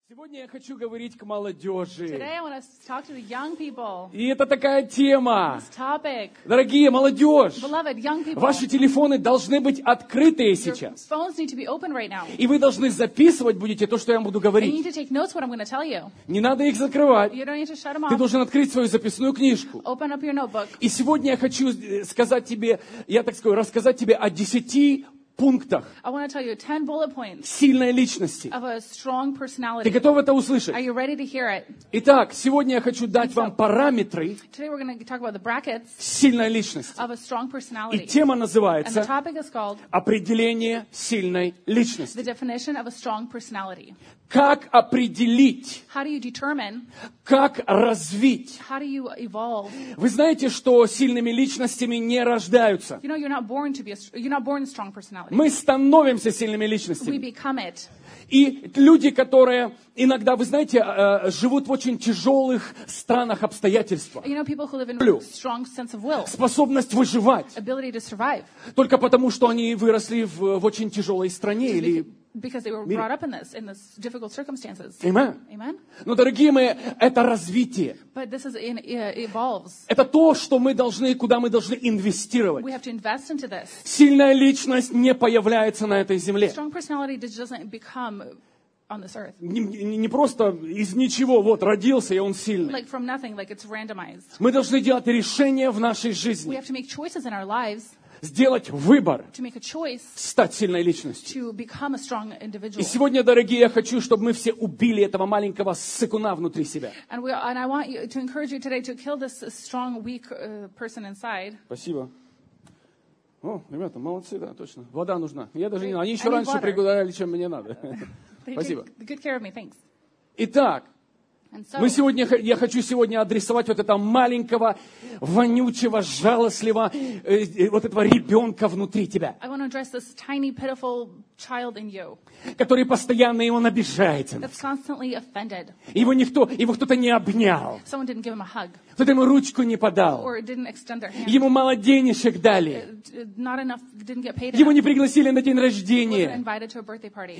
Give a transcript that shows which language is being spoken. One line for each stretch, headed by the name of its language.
Russian: Сегодня я хочу говорить к молодежи.
English: Today I want to talk to the young people.
Russian: И это такая тема.
English: This topic.
Russian: Дорогие молодежь,
English: beloved young people.
Russian: Ваши телефоны должны быть открыты сейчас.
English: Your phones need to be open right now.
Russian: И вы должны записывать будете то, что я вам буду говорить.
English: And you need to take notes what I'm going to tell you.
Russian: Не надо их закрывать.
English: You don't need to shut them off.
Russian: Ты должен открыть свою записную книжку.
English: Open up your notebook.
Russian: И сегодня я хочу сказать тебе, я так скажу, рассказать тебе о 10 пунктах.
English: I want to tell you 10 bullet points.
Russian: Сильной личности.
English: Of a strong personality.
Russian: Ты готов это услышать?
English: Are you ready to hear it?
Russian: Итак, сегодня я хочу дать вам параметры.
English: Today we're going to talk about the brackets.
Russian: Сильной личности.
English: Of a strong personality.
Russian: И тема называется.
English: And the topic is called.
Russian: Определение сильной личности.
English: The definition of a strong personality.
Russian: Как определить?
English: How do you determine?
Russian: Как развить?
English: How do you evolve?
Russian: Вы знаете, что сильными личностями не рождаются.
English: You know, you're not born to be a, you're not born a strong personality.
Russian: Мы становимся сильными личностями.
English: We become it.
Russian: И люди, которые иногда, вы знаете, живут в очень тяжелых странах обстоятельствах.
English: You know, people who live in a strong sense of will.
Russian: Способность выживать.
English: Ability to survive.
Russian: Только потому, что они выросли в очень тяжелой стране или...
English: Because they were brought up in this difficult circumstances. Amen. Amen.
Russian: Но, дорогие мои, это развитие.
English: But this is in, evolves.
Russian: Это то, что мы должны, куда мы должны инвестировать.
English: We have to invest into this.
Russian: Сильная личность не появляется на этой земле.
English: Strong personality doesn't become on this earth.
Russian: Не просто из ничего, вот, родился, и он сильный.
English: Like from nothing, like it's randomized.
Russian: Мы должны делать решения в нашей жизни.
English: We have to make choices in our lives.
Russian: Сделать выбор,
English: to make a choice,
Russian: стать сильной личностью.
English: To become a strong individual.
Russian: И сегодня, дорогие, я хочу, чтобы мы все убили этого маленького сыкуна внутри себя.
English: And I want you to encourage you today to kill this strong, weak person inside.
Russian: Спасибо. О, ребята, молодцы, да, точно. Вода нужна. Я даже не знаю, они еще раньше пригодали, чем мне надо. Спасибо.
English: Good care of me, thanks.
Russian: Итак. Мы сегодня, я хочу сегодня адресовать вот этого маленького, вонючего, жалостливого, вот этого ребенка внутри тебя.
English: I want to address this tiny, pitiful child in you.
Russian: Который постоянно его обижает.
English: That's constantly offended.
Russian: Его никто, его кто-то не обнял.
English: Someone didn't give him a hug.
Russian: Кто-то ему ручку не подал.
English: Or didn't extend their hand.
Russian: Ему мало денежек дали.
English: Not enough, didn't get paid enough.
Russian: Ему не пригласили на день рождения.
English: Wasn't invited to a birthday party.